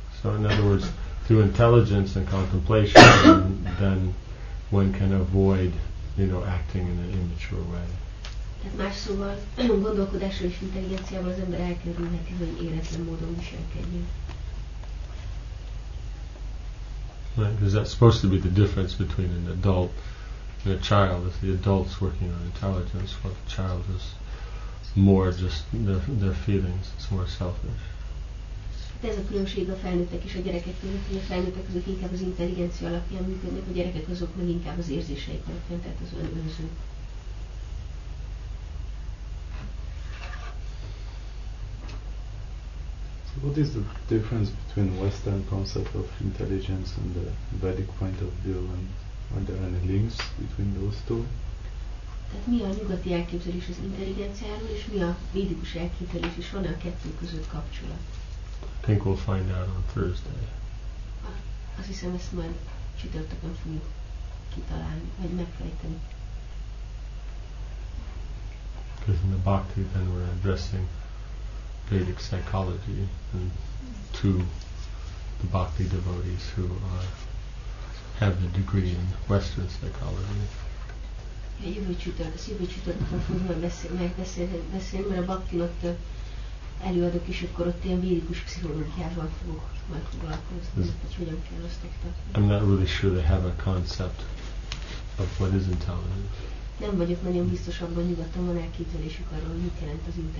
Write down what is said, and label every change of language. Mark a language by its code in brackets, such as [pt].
[en] So in other words, through intelligence and contemplation, then one can avoid, you know, acting in an immature way. [hu] Tehát más szóval, gondolkodással és intelligenciával az ember elkerülhet, hogy éretlen módon viselkedjen. [en] Right, because that's supposed to be the difference between an adult and a child. If the adult's working on intelligence, while the child is more just their feelings, it's more selfish. [hu] De ez a különbség a felnőttek és a gyerekek között, hogy a felnőttek azok inkább az intelligencia alapján működnek, a gyerekek azok meg inkább az érzéseik alapján, tehát az önöző. [en] What is the difference between Western concept of intelligence and the Vedic point of view, and are there any links between those two? [hu] Tehát mi a nyugati elképzelés az intelligenciáról, és mi a védikus elképzelés, és van-e a kettő között kapcsolat? [en] I think we'll find out on Thursday. [hu] Azt hiszem, ezt majd csütörtökön fogjuk kitalálni, vagy megfejteni. [en] Because in the bhakti, then we're addressing Vedic psychology and to the bhakti devotees who are, have the degree in Western psychology. I'm not really sure they have a concept of what is intelligence. [hu] Nem vagyok nagyon biztos abban, nyugodtan van elképzelésük arról, hogy mit jelent az